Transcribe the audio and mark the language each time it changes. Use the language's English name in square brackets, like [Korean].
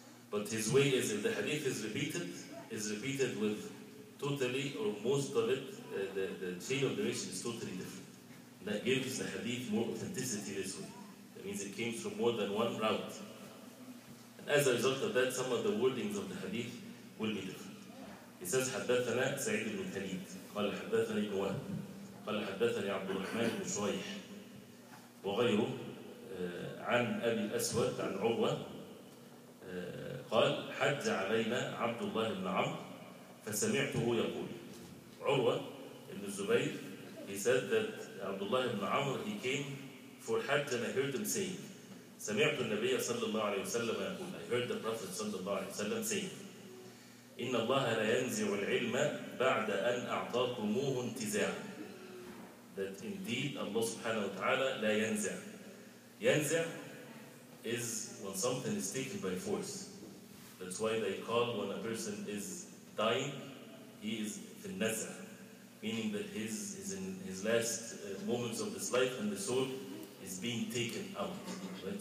[English] But his way is, if the hadith is repeated with totally, or most of it, the chain of narration is totally different. That gives the hadith more authenticity this way. That means it came from more than one route. And as a result of that, some of the wordings of the hadith will be different. [Arabic] It says, حَدَّثَنَا سَعِيدُ بْنُ الْحَدِيدِ قَالَ حَدَّثَنَا إِبْنُ وَهْبٍ قَالَ حَدَّثَنِي عَبْدُ الرَّحْمَنِ بْنُ شُرَيْحٍ وَغَيْرُهُ عَنْ أَبِي الْأَسْوَدِ عَنْ عُرْوَةٍ قَالَ حَجَّ عَلَيْنَا عَبْدُ اللَّهِ بْنُ عَمْرٍ فَسَمِعْتُهُ يَقُولُ عُرْوَةُ بْنُ الزُّبَيْرِ [English] He said that Abdullah ibn Amr, he came for Hajj and I heard him saying, [Arabic] سَمِعْتُ النَّبِيَ صَلَّى اللَّهُ عَلَيْهِ وَسَلَّمَ يَقُولُ [English] I heard the Prophet [Arabic] صلى الله عليه وسلم [English] saying, [Arabic] إِنَّ اللَّهَ لَيَنْزِعُ الْعِلْمَ بَعْدَ أَنْ أَعْطَاكُمُوهُ انْتِزَاعًا [English] That indeed Allah subhanahu wa ta'ala [Arabic] لا ينزع. [English] ينزع is when something is taken by force. That's why they call when a person is dying, he is [Arabic] في النزع. [English] Meaning that his is in his last moments of his life and the soul is being taken out. Right?